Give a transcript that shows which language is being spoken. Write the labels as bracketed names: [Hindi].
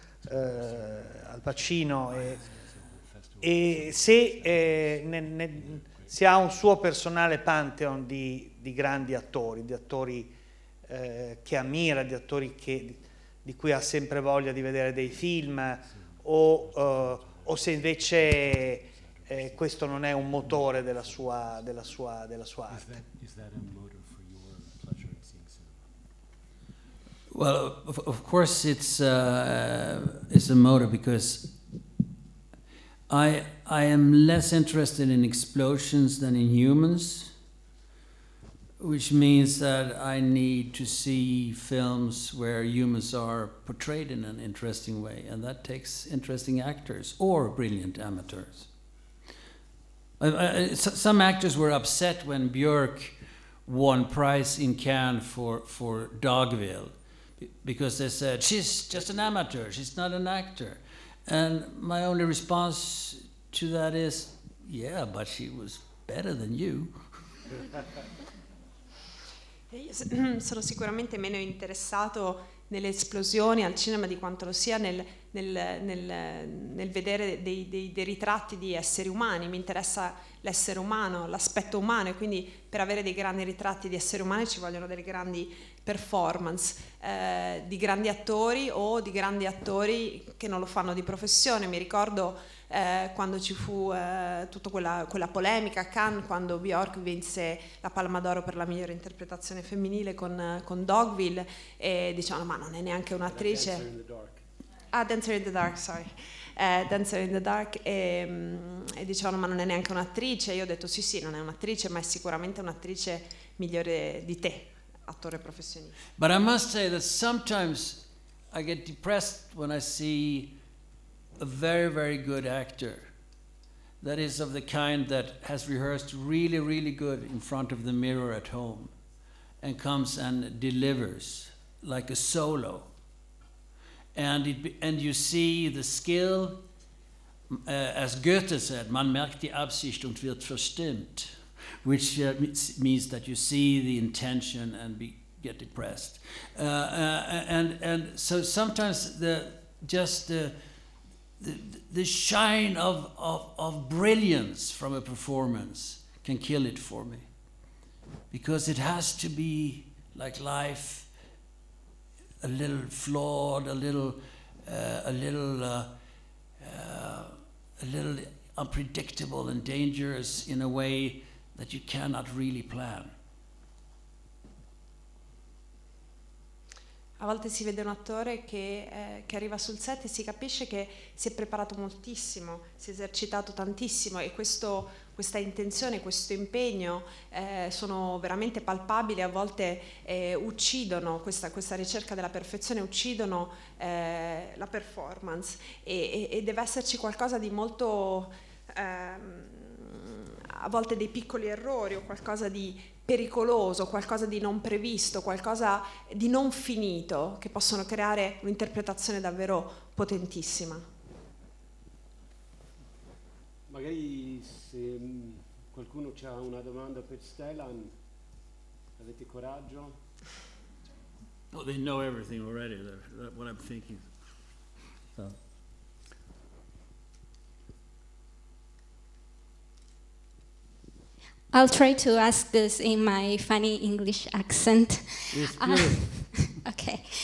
[Italian] Al Pacino, e se, se ha un suo personale pantheon di grandi attori, di attori che ammira, di attori che, di cui ha sempre voglia di vedere dei film, o se invece questo non è un motore della sua, della sua, della sua arte. [English] Well, of course, it's a motor, because I am less interested in explosions than in humans, which means that I need to see films where humans are portrayed in an interesting way, and that takes interesting actors or brilliant amateurs. Some actors were upset when Björk won prize in Cannes for Dogville, because they said, she's just an amateur, she's not an actor. And my only response to that is, yeah, but she was better than you. [Italian] Sono sicuramente meno interessato nelle esplosioni al cinema di quanto lo sia nel vedere dei ritratti di esseri umani. Mi interessa l'essere umano, l'aspetto umano, e quindi per avere dei grandi ritratti di esseri umani ci vogliono delle grandi performance di grandi attori, o di grandi attori che non lo fanno di professione. Mi ricordo quando ci fu tutta quella polemica a Cannes, quando Björk vinse la Palma d'Oro per la migliore interpretazione femminile con Dogville, e dicevano, ma non è neanche un'attrice. Dancer in the Dark, e dicevano, ma non è neanche un'attrice. Io ho detto, sì, non è un'attrice, ma è sicuramente un'attrice migliore di te, attore professionista. [English] But I must say that sometimes I get depressed when I see a very, very good actor that is of the kind that has rehearsed really, really good in front of the mirror at home and comes and delivers like a solo. And you see the skill, as Goethe said, [German] man merkt die Absicht und wird verstimmt, [English] which means that you see the intention and get depressed. And so sometimes the shine of brilliance from a performance can kill it for me, because it has to be like life. A little flawed, a little unpredictable and dangerous in a way that you cannot really plan. [Italian] A volte si vede un attore che arriva sul set e si capisce che si è preparato moltissimo, si è esercitato tantissimo, e questa intenzione, questo impegno sono veramente palpabili. A volte uccidono questa ricerca della perfezione, uccidono la performance, e deve esserci qualcosa di molto, a volte dei piccoli errori o qualcosa di pericoloso, qualcosa di non previsto, qualcosa di non finito, che possono creare un'interpretazione davvero potentissima. Magari se qualcuno c'ha una domanda per Stellan, avete coraggio? [English] Oh, they know everything already, what I'm thinking. So. I'll try to ask this in my funny English accent. Okay.